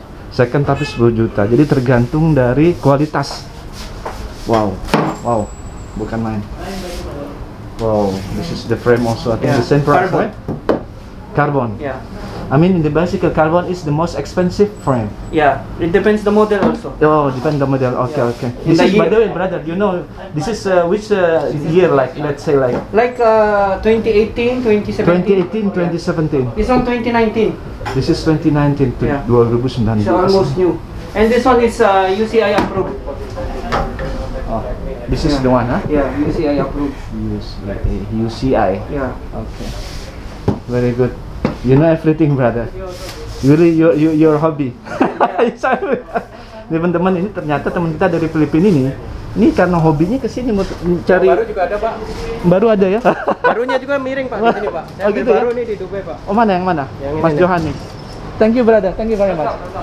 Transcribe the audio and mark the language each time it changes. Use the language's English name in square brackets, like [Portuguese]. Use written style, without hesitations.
[Indonesian] Second tapi 10 juta, jadi tergantung dari kualitas. Wow, wow, bukan main. [English] Wow, this is the frame also, I think the same price, carbon. Right? Carbon. Yeah. I mean, in the bicycle, carbon is the most expensive frame. Yeah, it depends the model also. Oh, depends the model, okay, yeah. Okay. This is, by the way, brother, you know, this is which year, like, let's say, like? Like 2018, 2017. This one 2019. This is 2019 to 2019. So almost new. And this one is UCI approved. Oh, this is the one, huh? Yeah, UCI approved. UCI. Yeah. Okay. Very good. You know everything, brother. Really, your hobby. Yeah. [Indonesian] Teman-teman ini ternyata teman kita dari Filipina ini. Ini karena hobinya ke sini mau cari. Baru juga ada, Pak. Baru ada ya. Barunya juga miring, Pak, di sini, Pak. Saya baru nih di Dubai, Pak. Oh, mana yang mana? Yang Mas ini. [English] Johan nih. Thank you, brother. Thank you very much.